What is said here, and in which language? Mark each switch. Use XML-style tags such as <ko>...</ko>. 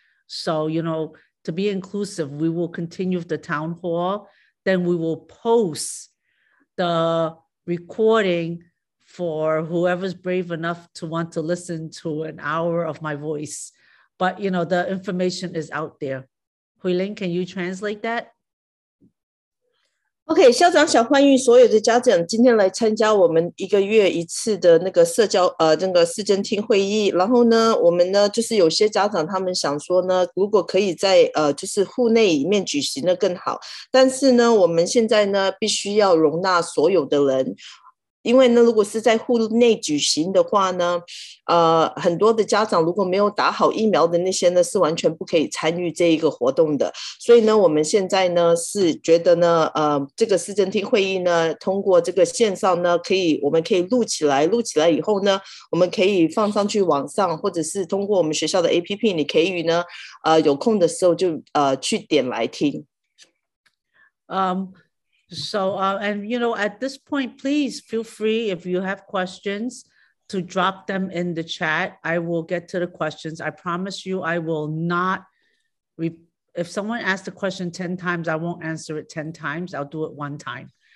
<en>So, you know, to be inclusive, we will continue the town hall. Then we will post the recording for whoever's brave enough to want to listen to an hour of my voice. But, you know, the information is out there. Huiling, can you translate that?</en> <zh>Okay, 校长想欢迎所有的家长今天来参加我们一个月一次的那个社交那个市政厅会议。然后呢，我们呢就是有些家长他们想说呢，如果可以在就是户内里面举行的更好。但是呢，我们现在呢必须要容纳所有的人。因为呢，如果是在户内举行的话呢，很多的家长如果没有打好疫苗的那些呢，是完全不可以参与这一个活动的。所以呢，我们现在呢是觉得呢，这个市政厅会议呢，通过这个线上呢，我们可以录起来，录起来以后呢，我们可以放上去网上，或者是通过我们学校的 APP， 你可以呢，有空的时候就去点来听。</zh> <en>So, and you know, at this point, please feel free if you have questions to drop them in the chat. I will get to the questions. I promise you, I will not. If someone asks the question 10 times, I won't answer it 10 times. I'll do it one time.</en>